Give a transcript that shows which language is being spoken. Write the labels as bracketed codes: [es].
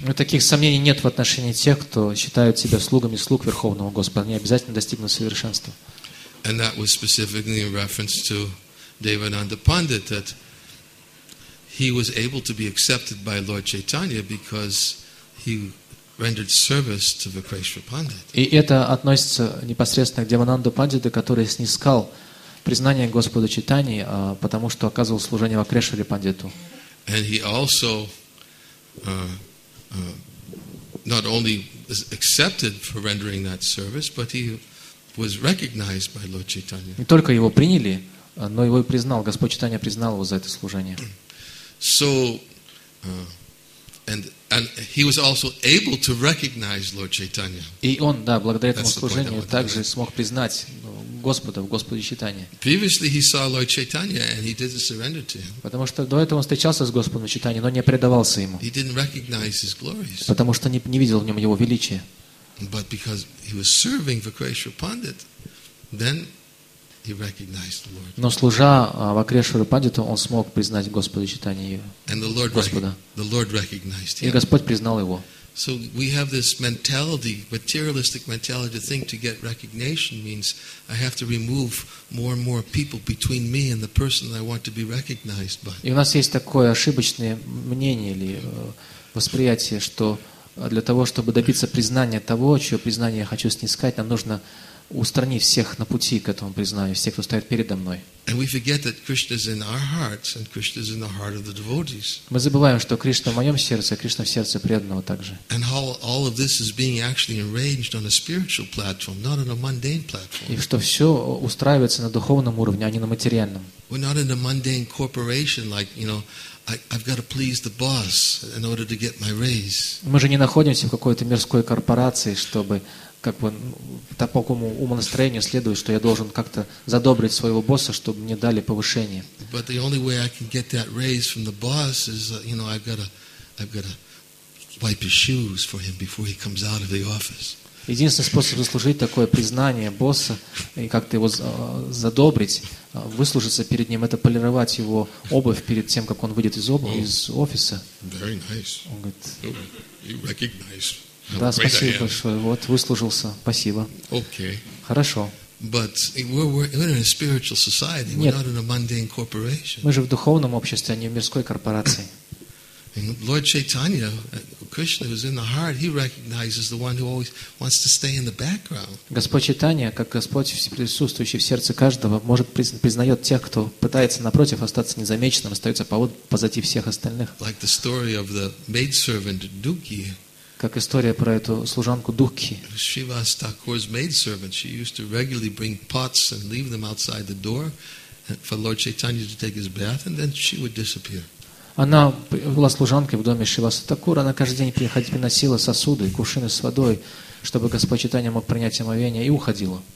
[ru] Но таких сомнений нет в отношении тех, кто считают себя слугами слуг Верховного Господа. Они обязательно достигнут совершенства. [en] And that was specifically in reference to Devananda Pandit, that he was able to be accepted by Lord Chaitanya because he rendered service to Vakreshwara Pandit. [ru] И это относится непосредственно к Девананду Пандиту, который снискал признание Господа Чайтаньи, потому что оказывал служение Вакрешваре Пандиту. [en] And he also not only was accepted for rendering that service, but he was recognized by Lord Chaitanya. [ru] Не только его приняли, но его и признал Господь Чайтанья, признал его за это служение. [en] So and he was also able to recognize Lord Chaitanya. [ru] И он, да, благодаря этому служению также смог признать Господа в Господе Чайтанье. [en] Previously he saw Lord Chaitanya and he didn't surrender to him. [ru] Потому что до этого он встречался с Господом Чайтанье, но не предавался ему. [en] He didn't recognize his glories. [ru] Потому что не видел в нем его величия. [en] But because he was serving Vakreshwara Pandit, then he recognized the Lord. [ru] Но служа Вакрешвара Пандиту, он смог признать Господа Чайтанье. [en] And the Lord recognized him. [ru] И Господь признал его. [en] So we have this mentality, materialistic mentality, to think to get recognition means I have to remove more and more people between me and the person that I want to be recognized by. [ru] И у нас есть такое ошибочное мнение или восприятие, что для того, чтобы добиться признания того, чье признание я хочу снискать, нам нужно устранить всех на пути к этому признанию, всех, кто стоит передо мной. [en] And we forget that Krishna is in our hearts and Krishna is in the heart of the devotees. [ru] Мы забываем, что Кришна в моем сердце, а Кришна в сердце преданного также. [en] And all of this is being actually arranged on a spiritual platform, not on a mundane platform. [ru] И что все устраивается на духовном уровне, а не на материальном. [en] We're not in a mundane corporation like, you know, I've got to please the boss in order to get my raise. [ru] Мы же не находимся в какой-то мирской корпорации, чтобы как бы такому умонастроению следует, что я должен как-то задобрить своего босса, чтобы мне дали повышение. [en] But the only way I can get that raise from the boss is, you know, I've got to wipe his shoes for him before he comes out of the office. [ru] Единственный способ заслужить такое признание босса и как-то его задобрить, выслужиться перед ним, это полировать его обувь перед тем, как он выйдет из офиса. [en] Very nice. [ru] Он говорит, [en] you recognize. [ru] Да, спасибо большое. Вот, выслужился. Спасибо. [en] Okay. [ru] Хорошо. [en] But we're in a spiritual society. [ru] Нет. [en] We're not in a mundane corporation. [ru] Мы же в духовном обществе, а не в мирской корпорации. [en] And Lord Chaitanya, Krishna, who's in the heart, he recognizes the one who always wants to stay in the background. [ru] Господь Чайтанья, как Господь присутствующий в сердце каждого, может признает тех, кто пытается напротив остаться незамеченным, остается позади всех остальных. [en] Like the story of the maidservant Dukhi. [ru] Как история про эту служанку Дукхи. [en] Shrivas Thakur's maidservant, she used to regularly bring pots and leave them outside the door for Lord Chaitanya to take his bath, and then she would disappear. [ru] Она была служанкой в доме Шриваса Такура. Она каждый день приходила, приносила сосуды и кувшины с водой, чтобы Господь Чайтанья мог принять омовение, и уходила.